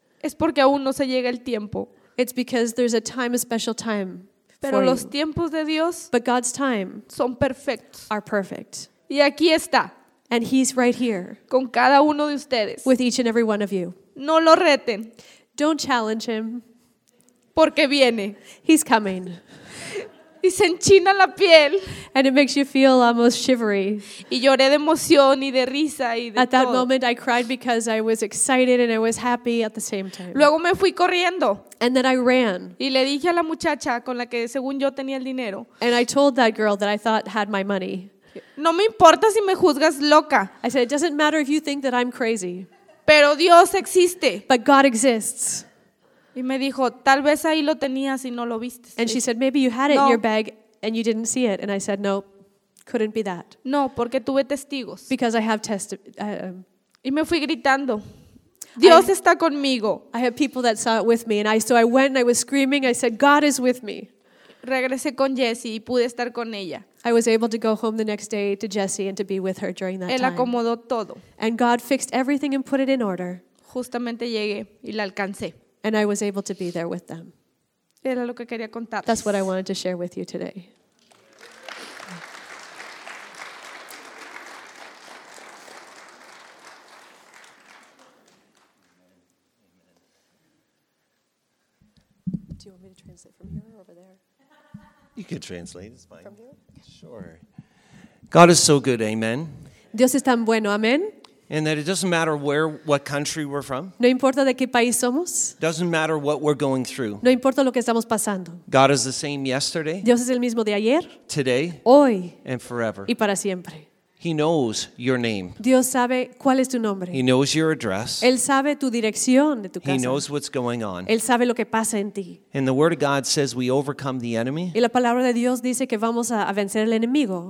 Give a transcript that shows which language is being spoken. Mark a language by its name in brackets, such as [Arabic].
[Spanish] es porque aún no se llega el tiempo. [English] It's because there's a time, a special time. [Spanish] Pero for los tiempos de Dios, [English] but God's time, [Spanish] son perfectos. [English] Are perfect. [Spanish] Y aquí está. [English] And he's right here. [Spanish] Con cada uno de ustedes. [English] With each and every one of you. [Spanish] No lo reten. [English] Don't challenge him. [Spanish] Porque viene. [English] He's coming. [Spanish] Y se enchina la piel. [English] And it makes you feel almost shivery. [Spanish] Y lloré de emoción y de risa y de [English] At that [Spanish] todo. [English] Moment I cried because I was excited and I was happy at the same time. [Spanish] Luego me fui corriendo. [English] And then I ran. [Spanish] Y le dije a la muchacha con la que según yo tenía el dinero. [English] And I told that girl that I thought had my money. [Spanish] No me importa si me juzgas loca. [English] I said, it doesn't matter if you think that I'm crazy. [Spanish] Pero Dios existe. [English] But God exists. [Spanish] Y me dijo, tal vez ahí lo tenías y no lo viste. [English] And she said, maybe you had it no. in your bag and you didn't see it. And I said, no, couldn't be that. [Spanish] No, porque tuve testigos. [English] Because I have [Spanish] Y me fui gritando. Dios está conmigo. [English] I had people that saw it with me. And I went and I was screaming. I said, God is with me. [Spanish] Regresé con Jessie y pude estar con ella. [English] I was able to go home the next day to Jessie and to be with her during that [Spanish] time. Él acomodó todo. [English] And God fixed everything and put it in order. [Spanish] Justamente llegué y la alcancé. [English] And I was able to be there with them. [Spanish] Era lo que quería contar. [English] That's what I wanted to share with you today. Do you want me to translate from here or over there? You could translate, it's fine. From here? Sure. God is so good, amen. [Spanish] Dios es tan bueno, amen. [English] And that it doesn't matter what country we're from. [Spanish] No importa de qué país somos. [English] Doesn't matter what we're going through. [Spanish] No importa lo que estamos pasando. [English] God is the same yesterday. [Spanish] Dios es el mismo de ayer. [English] Today. [Spanish] Hoy. [English] And forever. [Spanish] Y para siempre. [English] He knows your name. [Spanish] Dios sabe cuál es tu nombre. [English] He knows your address. [Spanish] Él sabe tu dirección de tu casa. [English] He knows what's going on. [Spanish] Él sabe lo que pasa en ti. [English] And the word of God says we overcome the enemy. [Spanish] Y la palabra de Dios dice que vamos a vencer el enemigo.